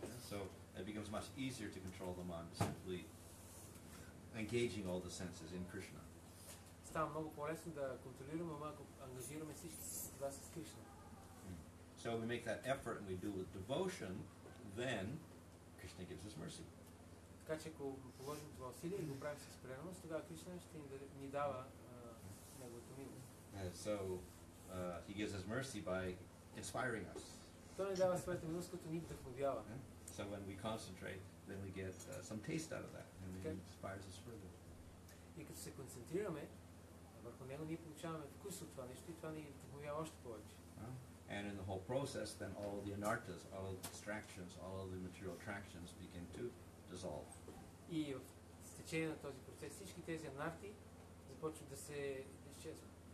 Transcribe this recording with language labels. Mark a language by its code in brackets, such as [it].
[en] So it becomes much easier to control the mind simply engaging all the senses in Krishna. [bg] Става много по-лесно да контролираме ума, ако ангажираме всички сетива с Кришна. [en] So we make that effort and we do with devotion, then Krishna gives us mercy. [bg] Така че ако положим това усилие и го правим с преданост, тогава Кришна ще ни дава неговото милост. [en] So he gives us mercy by inspiring us. [bg] Той ни дава своята милост, като ни вдъхновява. [en] So when we concentrate, then we get some taste out of that, and it inspires us further. [bg] И като се концентрираме върху него, ние получаваме вкус от това нещо и това ни вдъхновява още повече. [en] And in the whole process, then all the anartas, all the distractions, all the material attractions begin to dissolve. [bg] И в течение на този процес всички тези анарти започват да се изчезват.